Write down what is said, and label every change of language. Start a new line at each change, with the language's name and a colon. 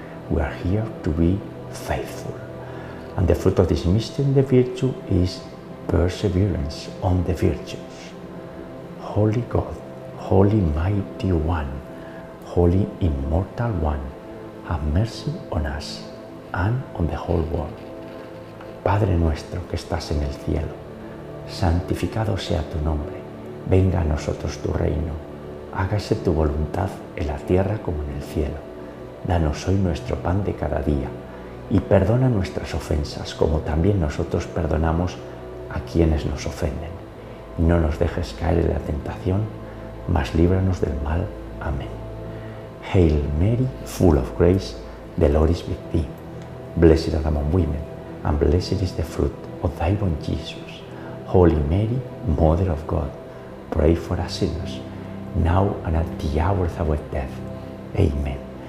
English: We are here to be faithful. And the fruit of this mystery, the virtue, is perseverance on the virtues. Holy God, Holy Mighty One, Holy Immortal One, have mercy on us and on the whole world.
Spanish: Padre nuestro que estás en el cielo, santificado sea tu nombre, venga a nosotros tu reino, hágase tu voluntad en la tierra como en el cielo. Danos hoy nuestro pan de cada día y perdona nuestras ofensas como también nosotros perdonamos a quienes nos ofenden. No nos dejes caer en la tentación, mas líbranos del mal. Amén.
English: Hail Mary, full of grace, the Lord is with thee. Blessed art thou among women, and blessed is the fruit of thy womb, Jesus. Holy Mary, Mother of God, pray for us sinners, now and at the hour of our death. Amen.